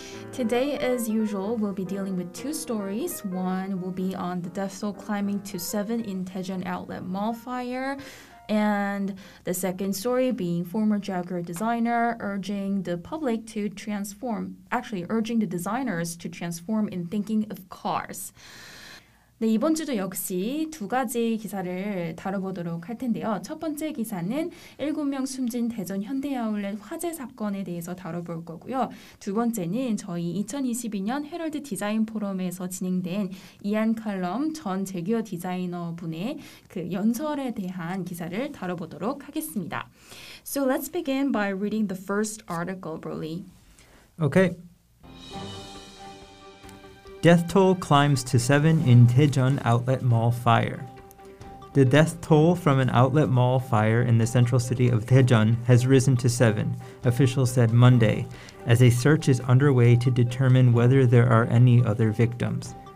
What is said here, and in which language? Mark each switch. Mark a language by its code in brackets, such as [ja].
[en] Today, as usual, we'll be dealing with two stories. One will be on the death toll climbing to 7 in Daejeon Outlet Mall fire, and the second story being former Jaguar designer urging the designers to transform in thinking of cars. [ko] 네, 이번 주도 역시 두 가지 기사를 다뤄보도록 할 텐데요. 첫 번째 기사는 7명 숨진 대전 현대아울렛 화재 사건에 대해서 다뤄볼 거고요. 두 번째는 저희 2022년 헤럴드 디자인 포럼에서 진행된 이안 칼럼 전 재규어 디자이너분의 그 연설에 대한 기사를 다뤄보도록 하겠습니다. [en] So let's begin by reading the first article, Broly. Okay. Death toll climbs to 7 in Daejeon Outlet Mall fire. The death toll from an outlet mall fire in the central city of Daejeon has risen to 7, officials said Monday, as a search is underway to determine whether there are any other victims.